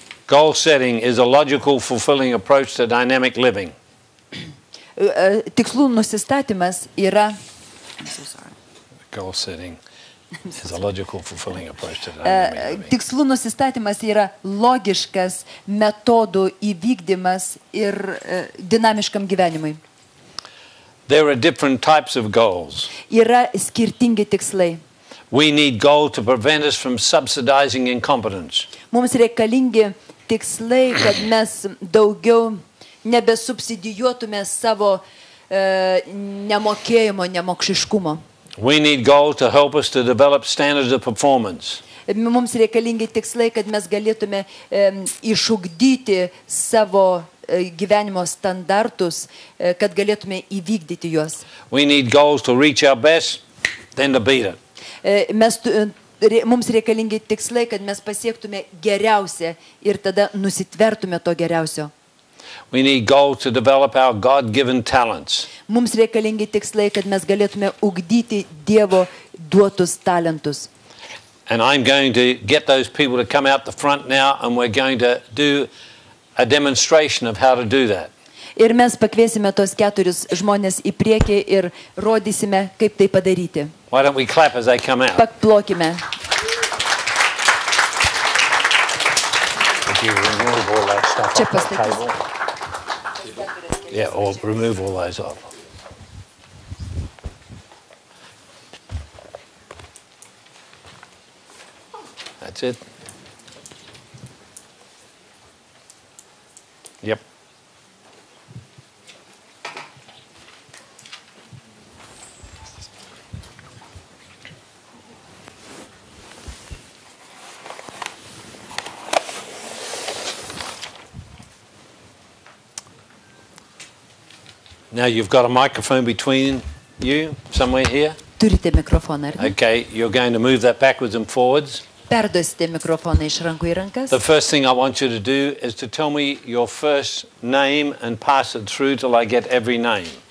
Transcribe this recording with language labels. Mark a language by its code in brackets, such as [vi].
[en] Goal setting is a logical fulfilling approach to dynamic living. [lt] Tikslų nusistatymas yra [en] goal setting is a logical fulfilling approach to dynamic living. [lt] Tikslų nusistatymas yra logiškas metodų įvykdymas ir dinamiškam gyvenimui. [en] There are different types of goals. [lt] Yra skirtingi tikslai. [en] We need goals to prevent us from subsidizing incompetence. [lt] Mums reikalingi tikslai, kad mes daugiau nebesubsidijuotume savo nemokėjimo, nemokšiškumo. [en] We need goals to help us to develop standards of performance. [lt] Mums reikalingi tikslai, kad mes galėtume išugdyti savo gyvenimo standartus, kad galėtume įvykdyti juos. [en] We need goals to reach our best, then to beat it. [lt] Mes mums reikalingi tikslai, kad mes pasiektume geriausią ir tada nusitvertume to geriausio. [en] We need goal to develop our God-given talents. [lt] Mums reikalingi tikslai, kad mes galėtume ugdyti Dievo duotus talentus. [en] And I'm going to get those people to come out the front now and we're going to do a demonstration of how to do that. [lt] Ir mes pakviesime tos keturis žmonės į priekį ir rodysime, kaip tai padaryti. [en] Why don't we clap as they come out? [lt] Paplokime. Čia pastatys. [en] Yeah, or remove all those off. That's it. Yep. Now you've got a microphone between you, somewhere here. [lt] Turite mikrofoną, ar ne? [en] Okay, you're going to move that backwards and forwards. [lt] Perduosite mikrofoną iš rankų į rankas. [en] The first thing I want you to do is to tell me your first name and pass it through till I get every name.